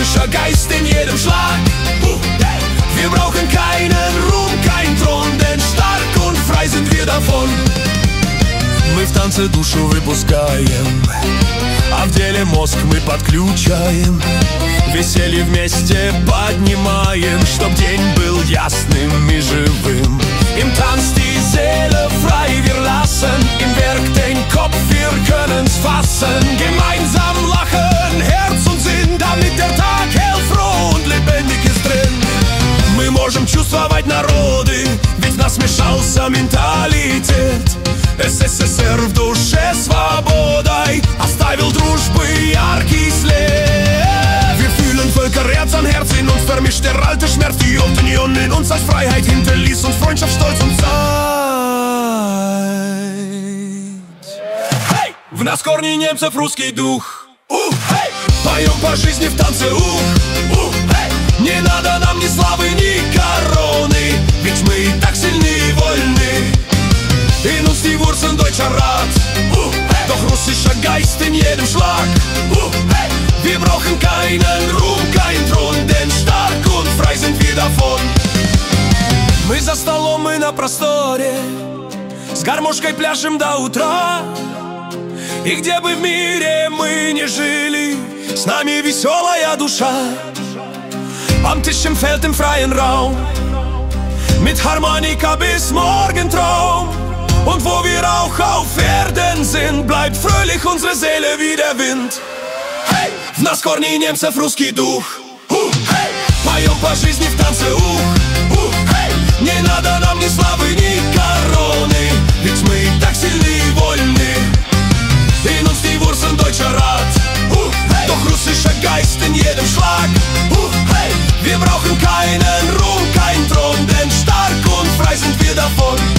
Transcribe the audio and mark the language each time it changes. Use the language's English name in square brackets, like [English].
[German] Geist in jedem Schlag. Wir brauchen keinen Ruhm, kein Thron, denn stark und frei sind wir davon. [Russian] Мы в танце душу выпускаем, а в деле мозг мы подключаем. Веселье вместе поднимаем, чтоб день был ясным и живым. [German] Im Tanz die Seele frei, wir lassen, im Werk den Kopf, wir können's fassen. Gemeinsam lachen, Herz und Sinn, damit der Tag hellfroh und lebendig ist drin. [Russian] Мы можем чувствовать народы, ведь нас смешался менталитет. СССР в душе свободой оставил дружбы яркий след. [German] Wir fühlen Völker, Herz an Herz, in uns vermischt der alte Schmerz. Die Union in uns als Freiheit hinterließ uns Freundschaft, Stolz und Zeit. Hey! [Russian] В нас корни немцев русский дух. Hey! Поем по жизни в танце. Hey! Не надо нам ни славы, ни короны, ведь мы и так сильны и вольны. [German] In uns die Wurzeln deutscher Rat. Hey! Doch russischer Geist in jedem Schlag. Hey! Wir brauchen keinen Ruhm, kein Thron, denn stark und frei sind wir davon. [Russian] Мы за столом и на просторе, с гармошкой пляшем до утра. И где бы в мире мы ни жили, с нами веселая душа. [German] Am Tisch im Feld im freien Raum, mit Harmonika bis Morgentraum. Und wo wir auch auf Erden sind, bleibt fröhlich unsere Seele wie der Wind. Hey! [Russian] В нас корни немцев русский дух. Hey! Поем по жизни в танце. Hey! Не надо нам ни славы, ни короны, ведь мы так сильны и вольны. [German] In uns die Wurzeln deutscher Rat. Hey! Doch russischer Geist in jedem Schlag. Hey! Wir brauchen keinen Ruhm, kein Thron, denn stark und frei sind wir davon.